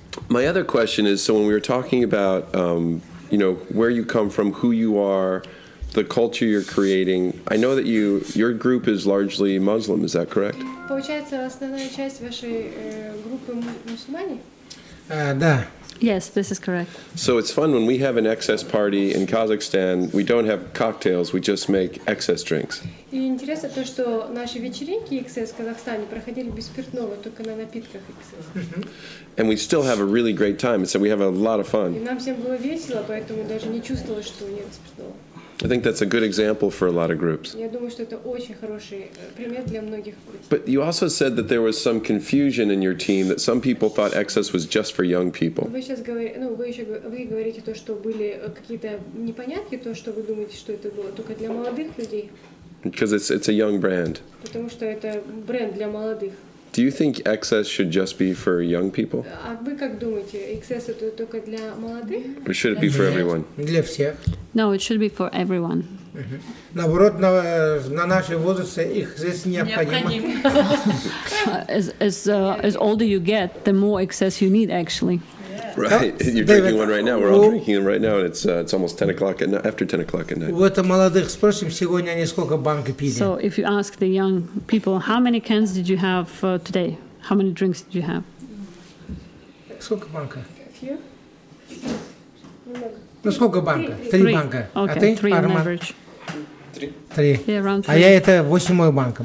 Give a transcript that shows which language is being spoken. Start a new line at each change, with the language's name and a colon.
English: My other question is, so when we were talking about, you know, where you come from, who you are, the culture you're creating, I know that your group is largely Muslim, is that correct?
Russian: Получается, основная часть вашей группы мусульмане? Да.
English: Yes, this is correct. So it's fun when we have an excess party in Kazakhstan, we don't have cocktails, we just make excess drinks.
Russian: И интересно то, что наши вечеринки excess в Казахстане проходили без спиртного, только на напитках excess.
English: And we still have a really great time, so we have a lot of fun.
Russian: И нам всем было весело, поэтому даже не чувствовалось, что нет спиртного.
English: I think that's a good example for a lot of groups.
Russian: Я думаю, что это очень хороший пример для многих групп.
English: But you also said that there was some confusion in your team, that some people thought excess was just for young people.
Russian: Вы говорите то, что были какие-то непонятки, то, что вы думаете, что это было только для молодых людей.
English: Because it's a young brand.
Russian: Потому что это бренд для молодых.
English: Do you think excess should just be for young people?
Russian: А вы как думаете, excess это только для молодых?
English: Or should it be for everyone?
Russian: Для всех.
English: No, it should be for everyone.
Russian: Наоборот, на наши возрасты их здесь необходимо.
English: As older you get, the more excess you need, actually. Right, you're drinking one right now. We're all drinking them right now, and it's almost 10 o'clock at after 10 o'clock at night.
Russian: У этого молодых спросим сегодня они сколько банки пили.
English: So if you ask the young people, how many cans did you have today? How many drinks did you have?
Russian: Сколько банка?
English: Few.
Russian: Ну сколько банка? Три банка.
English: Okay, three on average.
Russian: Три.
English: Yeah, around three.
Russian: А я это восьмой банка.